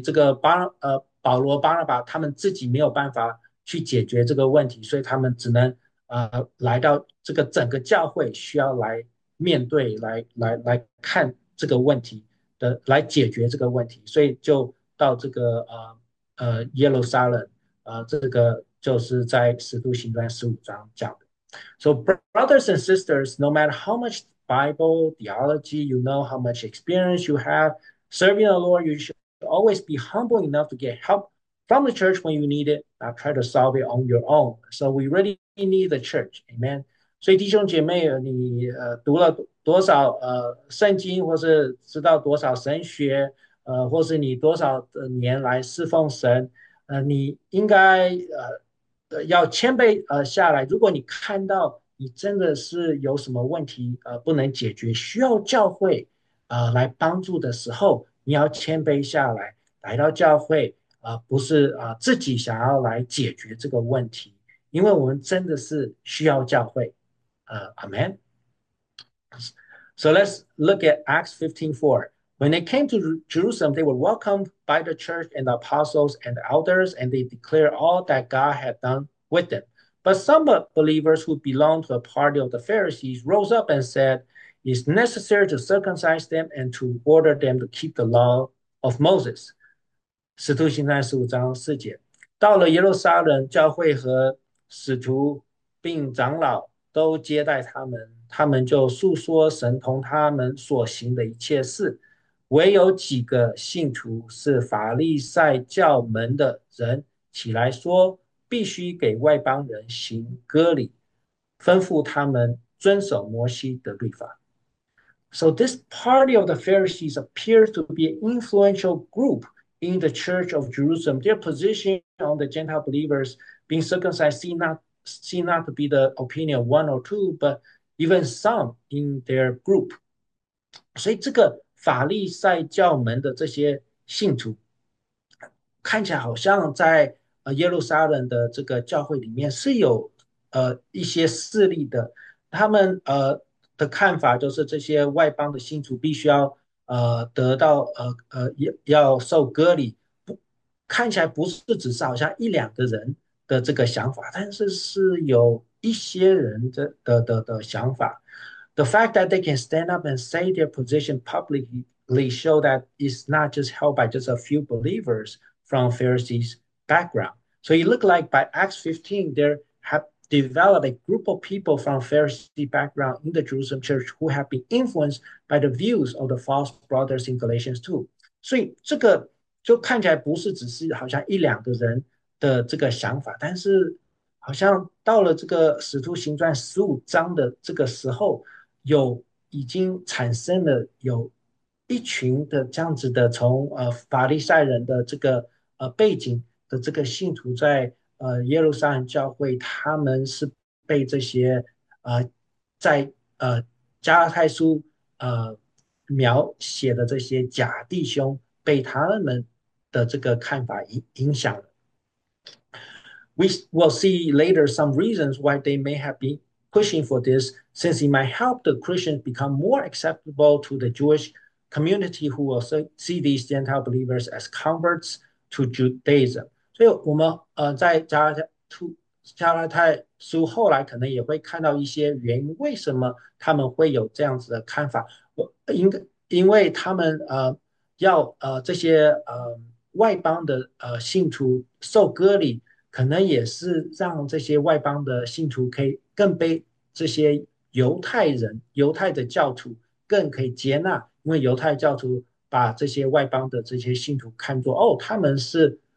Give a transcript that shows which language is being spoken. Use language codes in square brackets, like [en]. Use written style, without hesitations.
[zh] 这个保罗、巴拿巴他们自己没有办法去解决这个问题，所以他们只能来到这个整个教会需要来面对、来看这个问题的，来解决这个问题。所以就到这个耶路撒冷这个就是在《使徒行传》15章讲的。 [en] So brothers and sisters, no matter how much Bible theology you know, how much experience you have serving the Lord, you should always be humble enough to get help from the church when you need it, not try to solve it on your own. So we really need the church, Amen. [zh] 所以弟兄姐妹，你读了多少圣经，或是知道多少神学？或是你多少的年来侍奉神，你应该要谦卑下来。如果你看到你真的是有什么问题不能解决，需要教会来帮助的时候，你要谦卑下来，来到教会不是自己想要来解决这个问题，因为我们真的是需要教会。 [en] Amen. So let's look at Acts 15:4. When they came to Jerusalem, they were welcomed by the church and the apostles and the elders, and they declared all that God had done with them. But some believers who belonged to a party of the Pharisees rose up and said, "It's necessary to circumcise them and to order them to keep the law of Moses." [zh] 使徒行传15:4，到了耶路撒冷，教会和使徒并长老都接待他们，他们就述说神同他们所行的一切事，唯有几个信徒是法利赛教门的人，起来说。必须给外邦人行割礼，吩咐他们遵守摩西的律法。 [en] So this party of the Pharisees appears to be an influential group in the Church of Jerusalem. Their position on the Gentile believers being circumcised seem not to be the opinion of one or two, but even some in their group. [zh] 所以这个法利赛教门的这些信徒，看起来好像在。耶路撒冷的这个教会里面是有一些势力的，他们的看法就是这些外邦的信徒必须要得到要受割礼，不看起来不是只是好像一两个人的这个想法，但是是有一些人的想法。 [en] The fact that they can stand up and say their position publicly show that it's not just held by just a few believers from Pharisees' background. So it looked like by Acts 15, there have developed a group of people from Pharisee background in the Jerusalem church who have been influenced by the views of the false brothers in Galatians 2. [zh] 所以这个就看起来不是只是好像一两个人的这个想法，但是好像到了这个使徒行传15章的这个时候，有已经产生了有一群的这样子的从法利赛人的这个背景。的这个信徒在耶路撒冷教会，他们是被这些在加拉太书描写的这些假弟兄，被他们的这个看法影响了。 [en] We will see later some reasons why they may have been pushing for this, since it might help the Christians become more acceptable to the Jewish community who will see these Gentile believers as converts to Judaism. [zh] 所以，我们在加拉太书后来可能也会看到一些原因，为什么他们会有这样子的看法？因为他们这些外邦的信徒受割礼，可能也是让这些外邦的信徒可以更被这些犹太的教徒更可以接纳，因为犹太教徒把这些外邦的这些信徒看作哦，他们是。